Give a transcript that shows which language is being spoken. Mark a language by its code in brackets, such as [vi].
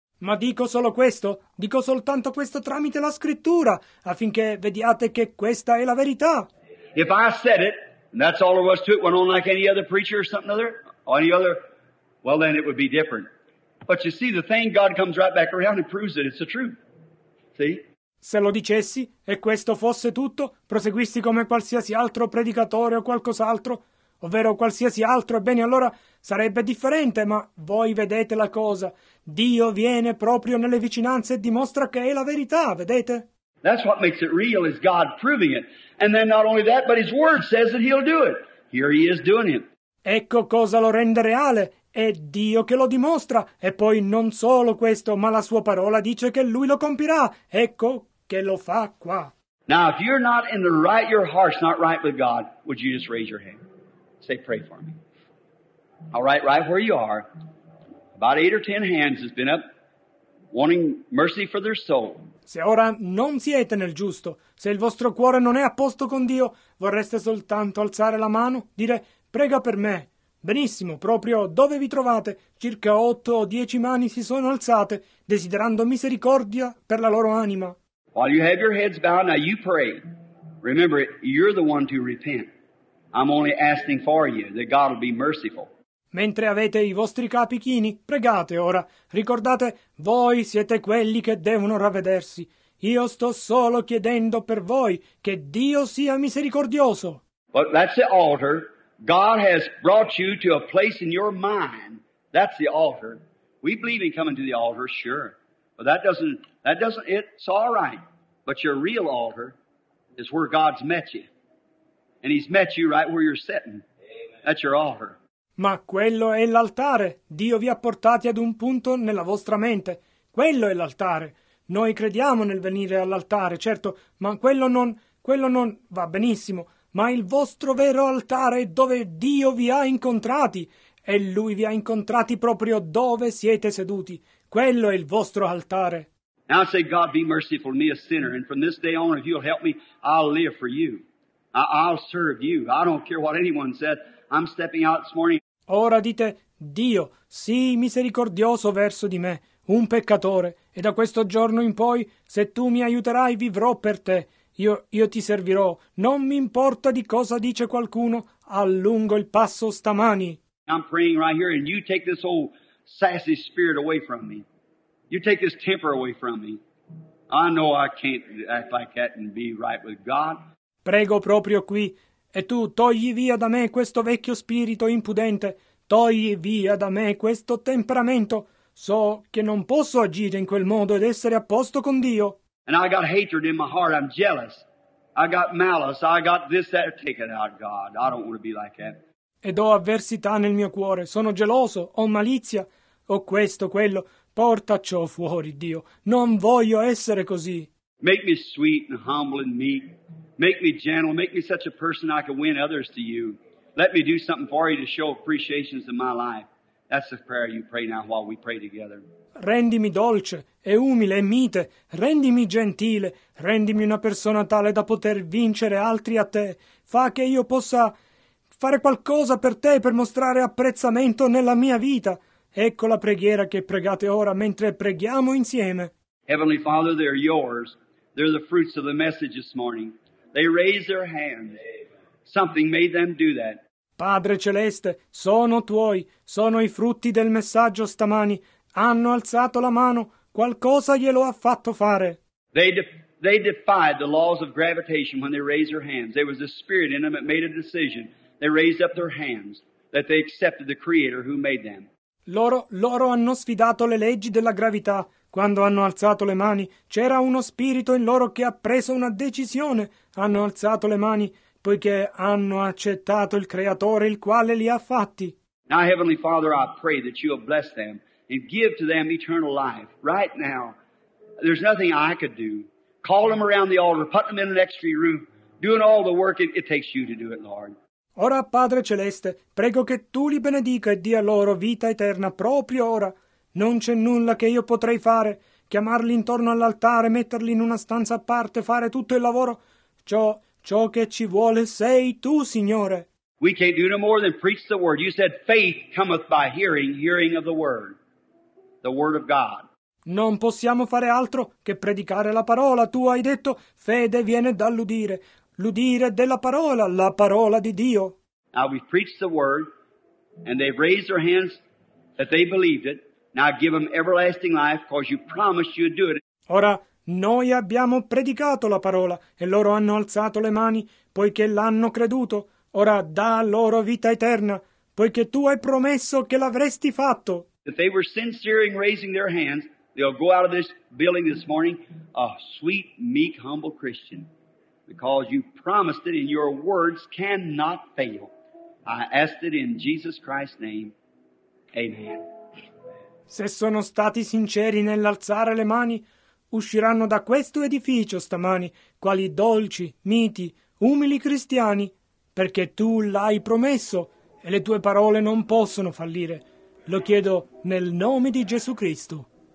[it] Ma dico solo questo, dico soltanto questo tramite la scrittura, affinché vediate che questa è la verità. [en] If I said it, and that's all there was to it, went on like any other preacher or something other, or any other, well then it would be different. But you see, the thing, God comes right back around and proves it, it's the truth. See? [it] Se lo dicessi, e questo fosse tutto, proseguissi come qualsiasi altro predicatore o qualcos'altro, ovvero qualsiasi altro, ebbene allora sarebbe differente, ma voi vedete la cosa. Dio viene proprio nelle vicinanze e dimostra che è la verità, vedete? [en] That's what makes it real, is God proving it. And then not only that, but His Word says that He'll do it. Here He is doing it. [it] Ecco cosa lo rende reale. È Dio che lo dimostra. E poi non solo questo, ma la Sua parola dice che Lui lo compirà. Ecco che lo fa qua. [en] Now, if you're not in the right, your heart's not right with God, would you just raise your hand? Say, pray for me. All right where you are. About 8 or 10 hands has been up wanting mercy for their soul. [it] Se ora non siete nel giusto, se il vostro cuore non è a posto con Dio, vorreste soltanto alzare la mano, dire prega per me. Benissimo, proprio dove vi trovate, circa 8 o 10 mani si sono alzate, desiderando misericordia per la loro anima. [en] While you have your heads bowed, now you pray. Remember, you're the one to repent. I'm only asking for you that God will be merciful. [it] Mentre avete i vostri capi chini, pregate ora. Ricordate, voi siete quelli che devono ravvedersi. Io sto solo chiedendo per voi che Dio sia misericordioso. [en] But that's the altar. God has brought you to a place in your mind. That's the altar. We believe in coming to the altar, sure. But that doesn't, it's all right. But your real altar is where God's met you. And He's met you right where you're sitting. That's your altar. [it] Ma quello è l'altare. Dio vi ha portati ad un punto nella vostra mente. Quello è l'altare. Noi crediamo nel venire all'altare, certo, ma quello non va benissimo. Ma il vostro vero altare è dove Dio vi ha incontrati. E Lui vi ha incontrati proprio dove siete seduti. Quello è il vostro altare. [en] Now I say, God, be merciful to me, a sinner. And from this day on, if you'll help me, I'll live for you. I'll serve you. I don't care what anyone said. I'm stepping out this morning. [it] Ora dite, Dio, sii misericordioso verso di me, un peccatore, e da questo giorno in poi, se tu mi aiuterai, vivrò per te. Io ti servirò. Non mi importa di cosa dice qualcuno, allungo il passo stamani. [en] I'm praying right here, and you take this whole sassy spirit away from me. You take this temper away from me. I know I can't act like that and be right with God. [it] Prego proprio qui. E tu togli via da me questo vecchio spirito impudente. Togli via da me questo temperamento. So che non posso agire in quel modo ed essere a posto con Dio. [en] And I got hatred in my heart. I'm jealous. I got malice. I got this, that. Take it out, God. I don't want to be like that. [it] Ed ho avversità nel mio cuore. Sono geloso. Ho malizia. Ho questo, quello. Porta ciò fuori, Dio. Non voglio essere così. [en] Make me sweet and humble and meek. Make me gentle, make me such a person I can win others to you. Let me do something for you to show appreciations in my life. That's the prayer you pray now while we pray together. [it] Rendimi dolce e umile e mite. Rendimi gentile. Rendimi una persona tale da poter vincere altri a te. Fa che io possa fare qualcosa per te per mostrare apprezzamento nella mia vita. Ecco la preghiera che pregate ora mentre preghiamo insieme. [en] Heavenly Father, they're yours. They're the fruits of the message this morning. They raise their hands. Something made them do that. [it] Padre celeste, sono tuoi. Sono i frutti del messaggio stamani. Hanno alzato la mano. Qualcosa glielo ha fatto fare. [en] They defied the laws of gravitation when they raised their hands. There was a spirit in them that made a decision. They raised up their hands that they accepted the Creator who made them. [it] Loro hanno sfidato le leggi della gravità. Quando hanno alzato le mani, c'era uno spirito in loro che ha preso una decisione. Hanno alzato le mani, poiché hanno accettato il Creatore, il quale li ha fatti. [en] Now, Heavenly Father, I pray that you will bless them and give to them eternal life. Right now, there's nothing I could do. Call them around the altar, put them in an extra room, doing all the work it takes you to do it, Lord. [it] Ora, Padre Celeste, prego che tu li benedica e dia loro vita eterna proprio ora. Non c'è nulla che io potrei fare, chiamarli intorno all'altare, metterli in una stanza a parte, fare tutto il lavoro. Ciò che ci vuole sei tu, Signore. [en] We can't do no more than preach the word. You said faith cometh by hearing, hearing of the word of God. [it] Non possiamo fare altro che predicare la parola. Tu hai detto fede viene dall'udire, l'udire della parola, la parola di Dio. [en] Now we've preached the word and they've raised their hands that they believed it. Now give them everlasting life, because you promised you'd do it. [it] Ora, noi abbiamo predicato la parola, e loro hanno alzato le mani, poiché l'hanno creduto. Ora, dà loro vita eterna, poiché tu hai promesso che l'avresti fatto. [en] If they were sincere in raising their hands, they'll go out of this building this morning, a sweet, meek, humble Christian, because you promised it, and your words cannot fail. I ask it in Jesus Christ's name. Amen. [it] Se sono stati sinceri nell'alzare le mani, usciranno da questo edificio stamani quali dolci, miti, umili cristiani, perché tu l'hai promesso e le tue parole non possono fallire. Lo chiedo nel nome di Gesù Cristo.